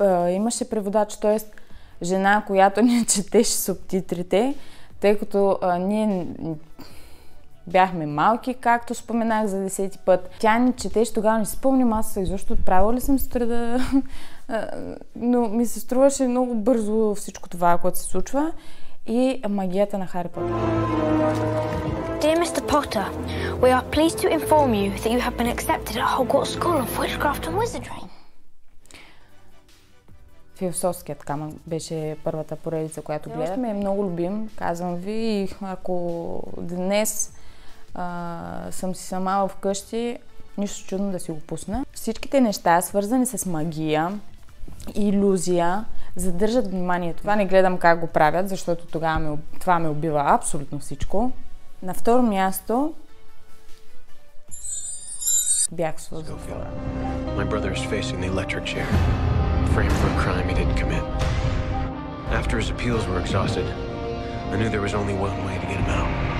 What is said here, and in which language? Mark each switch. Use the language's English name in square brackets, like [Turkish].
[Bulgarian] Имаше преводач, т.е. жена, която ни четеше субтитрите, тъй като ние бяхме малки, както споменах за 10-ти път. Тя ни четеше, тогава не спомням аз изобщо отправила ли съм сутрада. Но ми се струваше много бързо всичко това, което се случва и магията на Хари Потър. [English] Dear Mr. Potter, we are pleased to inform you that you have been accepted at Hogwarts School of Witchcraft and Wizardry. [Bulgarian] Философският камък беше първата поредица, която гледахме. Много любим, казвам ви, и ако днес съм си сама вкъщи, нищо чудно да си го пусна. Всичките неща, свързани с магия, илюзия, задържат вниманието. Това не гледам как го правят, защото тогава това ме убива абсолютно всичко. На второ място бях с Лузофила. [English] My brother is facing the electric chair. Framed for a crime he didn't commit. After his appeals were exhausted, I knew there was only one way to get him out.